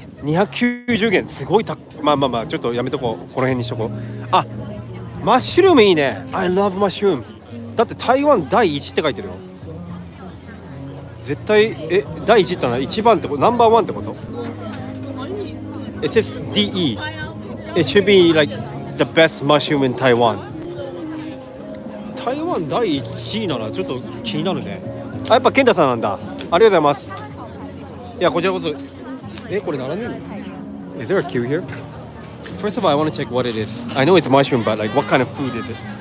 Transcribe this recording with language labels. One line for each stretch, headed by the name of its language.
Japanese: 290元、すごい高い。まあまあまあ、ちょっとやめとこう。この辺にしとこう。あ、マッシュルームいいね。
English: I love mushroom.
Japanese: だって台湾第一って書いてるよ。絶対第一ってのは一番ってこと、ナンバーワンってこと。 SSDE.
English: It should be like the best mushroom in Taiwan.
Japanese: 台湾第一ならちょっと気になるね。あ、やっぱケンタさんなんだ。ありがとうございます。いや、こちらこそ。これ並んでるの？
English: Is there a queue here? First of all, I want to check what it is. I know it's mushroom, but like, what kind of food is it?